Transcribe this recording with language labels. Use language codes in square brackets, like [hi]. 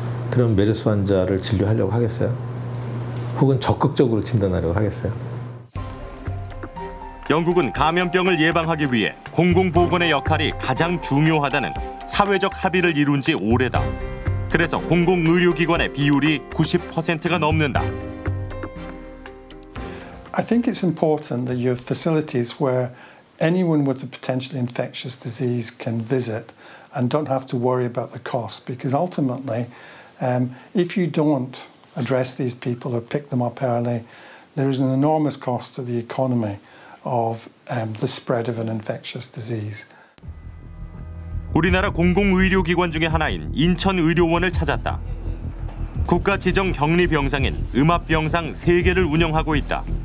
[ko] 그럼 메르스 환자를 진료하려고 하겠어요? 혹은 적극적으로 진단하려고 하겠어요? 영국은 감염병을 예방하기 위해 공공보건의 역할이 가장 중요하다는 사회적 합의를 이룬 지 오래다. 그래서 공공의료기관의 비율이 90%가 넘는다. [en] I think it's important that you have facilities where anyone with a potentially infectious disease can visit and don't have to worry about the cost, because ultimately, if you don't address these people or pick them up early, there is an enormous cost to the economy of the spread of an infectious disease. [ko] 우리나라 공공의료기관 중에 하나인 인천의료원을 찾았다. 국가 지정 격리 병상인 음압 병상 3개를 운영하고 있다.